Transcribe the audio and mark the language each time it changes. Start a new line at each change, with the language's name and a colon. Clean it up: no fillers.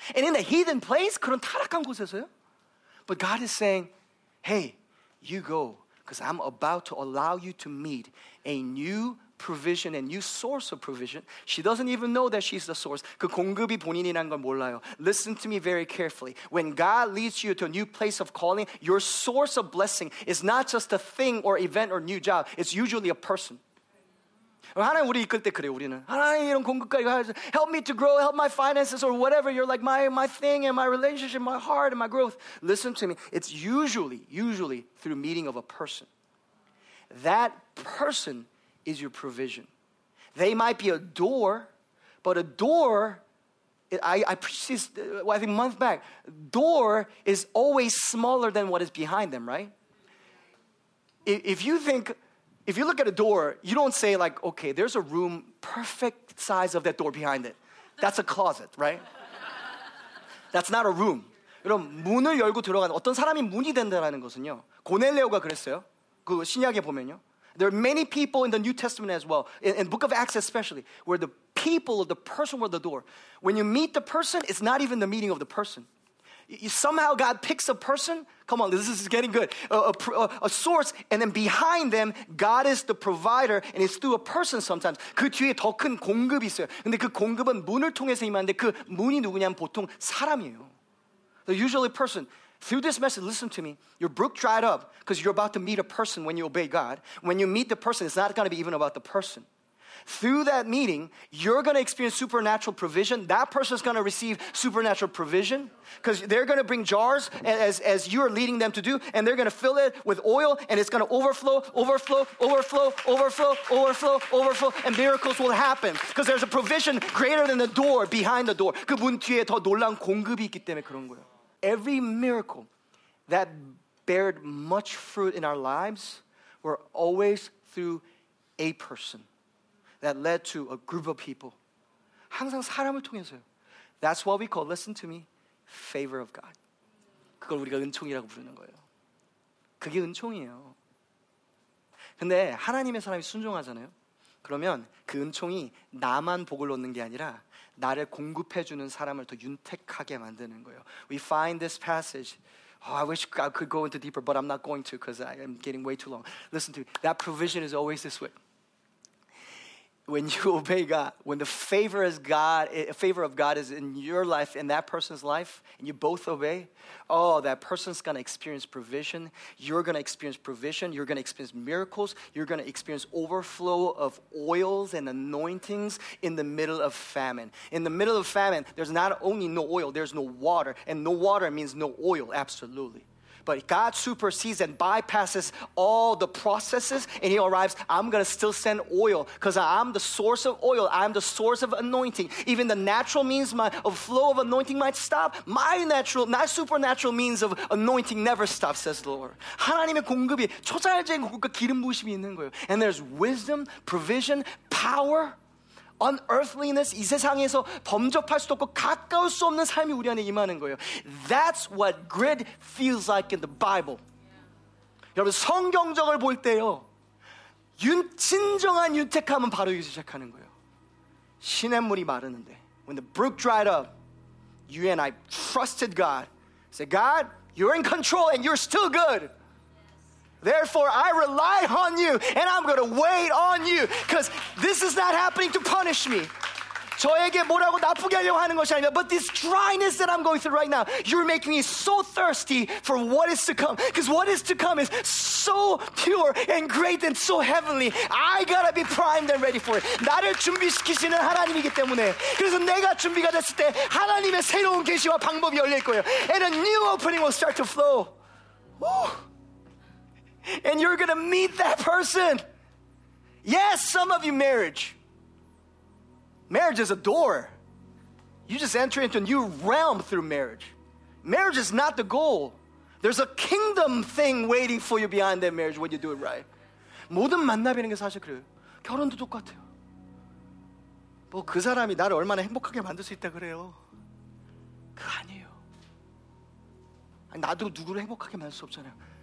English: And in a heathen place,
Korean: 그런 타락한 곳에서요?
English: But God is saying, hey, you go, because I'm about to allow you to meet a new provision, a new source of provision. She doesn't even know that she's the source.
Korean: 그 공급이 본인이란 걸 몰라요.
English: Listen to me very carefully. When God leads you to a new place of calling, your source of blessing is not just a thing or event or new job. It's usually a person.
Korean: 하나님 우리 이끌 때 그래요. 우리는 하나님 이런 공급까지 help me to grow, help my finances or whatever.
English: You're like my thing and my relationship, my heart and my growth. Listen to me. It's usually through meeting of a person. That person is your provision. They might be a door, but a door, I preached this, I think a month back, door is always smaller than what is behind them, right? If you look at a door, you don't say like, okay, there's a room perfect size of that door behind it. That's a closet, right? That's not a room.
Korean: 여러분, 문을 열고 들어가는, 어떤 사람이 문이 된다는 것은요, 고넬레오가 그랬어요. 그 신약에 보면요.
English: There are many people in the New Testament as well, in the book of Acts especially, where the people, the person were the door. When you meet the person, it's not even the meeting of the person. You somehow God picks a person, come on, this is getting good, a source, and then behind them, God is the provider, and it's through a person sometimes.
Korean: 그 뒤에 더 큰 공급이 있어요. 근데 그 공급은 문을 통해서 임하는데 그 문이 누구냐면 보통 사람이에요.
English: So usually a person. Through this message, listen to me. Your brook dried up because you're about to meet a person when you obey God. When you meet the person, it's not going to be even about the person. Through that meeting, you're going to experience supernatural provision. That person is going to receive supernatural provision because they're going to bring jars as you're leading them to do, and they're going to fill it with oil, and it's going to overflow, overflow, overflow, overflow, overflow, overflow, and miracles will happen because there's a provision greater than the door behind the door.
Korean: 그 문 뒤에 더 놀라운 공급이 있기 때문에 그런 거예요.
English: Every miracle that bared much fruit in our lives were always through a person that led to a group of people.
Korean: 항상 사람을 통해서요.
English: That's what we call, listen to me, favor of God.
Korean: 그걸 우리가 은총이라고 부르는 거예요. 그게 은총이에요. 근데 하나님의 사람이 순종하잖아요. 그러면 그 은총이 나만 복을 얻는 게 아니라 나를 공급해주는 사람을 더 윤택하게 만드는 거예요.
English: We find this passage. Oh, I wish I could go into deeper, but I'm not going to because I am getting way too long. Listen to me. That provision is always this way. When you obey God, when the favor is God, favor of God is in your life, in that person's life, and you both obey, oh, that person's going to experience provision. You're going to experience provision. You're going to experience miracles. You're going to experience overflow of oils and anointings in the middle of famine. In the middle of famine, there's not only no oil, there's no water. And no water means no oil, absolutely. But God supersedes and bypasses all the processes, and he arrives, I'm going to still send oil because I'm the source of oil. I'm the source of anointing. Even the natural means of flow of anointing might stop. My supernatural means of anointing never stops, says the Lord.
Korean: 하나님의 공급이 초자연적인 공급과 기름 부으심이 있는 거예요.
English: And there's wisdom, provision, power, unearthliness,
Korean: 이 세상에서 범접할 수도 없고 가까울 수 없는 삶이 우리 안에 임하는 거예요.
English: That's what grid feels like in the Bible. Yeah.
Korean: 여러분 성경적을 볼 때요, 진정한 윤택함은 바로 여기서 시작하는 거예요. 시냇물이 마르는데,
English: when the brook dried up, you and I trusted God. Say, God, you're in control and you're still good. Therefore, I rely on you, and I'm going to wait on you, because this is not happening to punish me.
Korean: 저에게 뭐라고 나쁘게 하려고 하는 것이 아니라,
English: but this dryness that I'm going through right now, you're making me so thirsty for what is to come, because what is to come is so pure and great and so heavenly. I gotta be primed and ready for it.
Korean: 나를 준비시키시는 하나님이기 때문에, 그래서 내가 준비가 됐을 때 하나님의 새로운 계시와 방법이 열릴 거예요.
English: And a new opening will start to flow. Woo! And you're going to meet that person. Yes, some of you marriage. Marriage is a door. You just enter into a new realm through marriage. Marriage is not the goal. There's a kingdom thing waiting for you behind that marriage when you do it right.
Korean: 모든 만남이라는 게 사실 그래요. 결혼도 똑같아요. 뭐 그 사람이 나를 얼마나 행복하게 만들 수 있다 그래요. 그거 아니에요. 아니, 나도 누구를 행복하게 만들 수 없잖아요.